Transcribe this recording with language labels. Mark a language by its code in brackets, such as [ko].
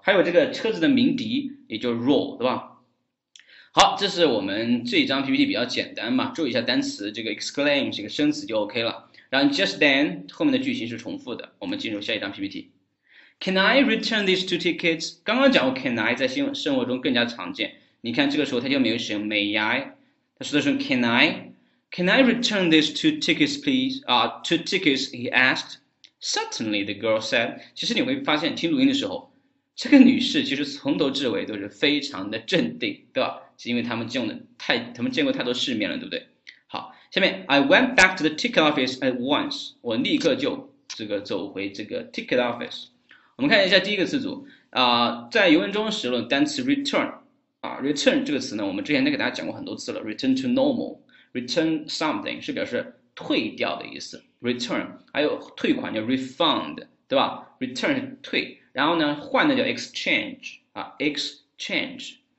[zh] 还有这个车子的鸣笛，也就是 roar， 对吧？好，这是我们这张 PPT 比较简单嘛，注意一下单词，这个 exclaim 是一个生词就 OK 了。然后 [en] just then [zh] 后面的句型是重复的，我们进入下一张 PPT。 [en] Can I return these two tickets？ [zh] 刚刚讲过 ， [en] Can I [zh] 在生活中更加常见。你看这个时候它就没有使用 [en] May I， [zh] 它说的是 Can I。 [en] Can I return these two tickets please？啊 ，two tickets he asked。 Certainly the girl said。 [zh] 其实你会发现听录音的时候，这个女士其实从头至尾都是非常的镇定，对吧？是因为他们见过太多世面了，对不对？ [en] 好，下面 I went back to the ticket office at once， [zh] 我立刻就这个走回这个 [en] ticket office。 [zh] 我们看一下第一个词组在原文中使用单词 return， return 这个词呢，我们之前都给大家讲过很多次了， [en] return to normal， return something [zh] 是表示退掉的意思， return， 还有退款叫 refund， 对吧？ return 是退，然后呢换的叫 exchange， exchange。